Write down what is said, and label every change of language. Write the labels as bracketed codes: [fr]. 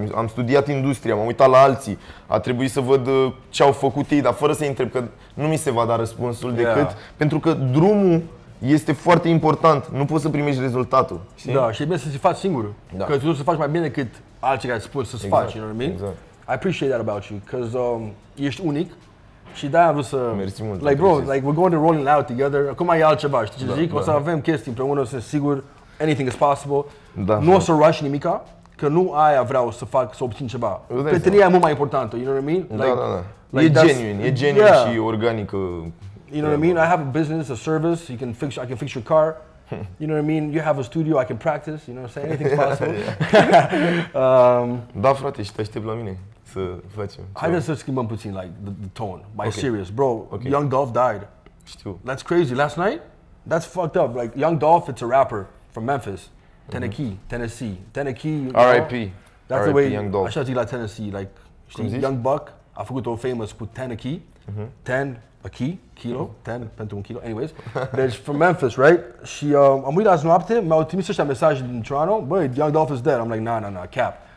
[ro] Am studiat industria, m-am uitat la alții. A trebuit să văd ce au făcut ei, dar fără să-i întreb, că nu mi se va da răspunsul decât. Pentru că drumul este foarte important. Nu poți să primești rezultatul. Știi? Da, și e bine să-ți faci singur. Da. Că tu o să faci mai bine decât alții care ai spus să-ți faci, [en] you know what I mean? [ro] Exact. [en] I appreciate that about you, because [ro] ești unic. Și de-aia am vrut să... Mersi mult, [en] like, bro, precis. Like, we're going to Rolling Loud together. [ro] Acum e altceva, știi ce zic? O să avem chestii împreună, sunt sigur. [en] Anything is possible. [ro] Da, nu o să rush nimica, că nu aia vreau să fac, să obțin ceva. Prietenia e mult mai importantă, [en] you know what I mean? [ro] Like, e genuine, și organică. [en] You know what I mean? I have a business, a service, I can fix your car. You know what I mean? You have a studio, I can practice, you know what I'm saying? Anything's possible. [ro] Da, frate, și te aștept la mine. Să facem. Haideți să schimbăm puțin, like, [en] the tone. My serious, bro. Okay. Young Dolph died. [ro] Știu. [en] That's crazy. Last night? That's fucked up. Like, Young Dolph, it's a rapper from Memphis. Tenekee, Tennessee. Tenekee, you know? R.I.P. That's R.I.P. the way, Young Dolph. [ro] Așa zic la Tennessee, like, știi, Young Buck, a făcut o famous cu Tenekee. Mm-hmm. [en] Ten, a key, kilo, mm-hmm. ten, [ro] pentru un kilo, [en] anyways. [ro] Deci, [en] from Memphis, right? [ro] Și am uitat azi noapte, m-au trimis ăștia mesaje din Toronto. [en] Băi, Young Dolph is dead. I'm like, nah, cap.